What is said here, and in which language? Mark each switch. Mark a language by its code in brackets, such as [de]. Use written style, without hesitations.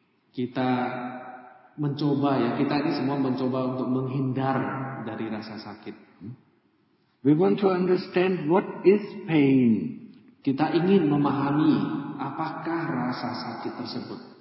[id] Kita mencoba ya, kita ini semua mencoba untuk menghindar dari rasa sakit. [en] We want to understand what is pain. [id] Kita ingin memahami apakah rasa sakit tersebut.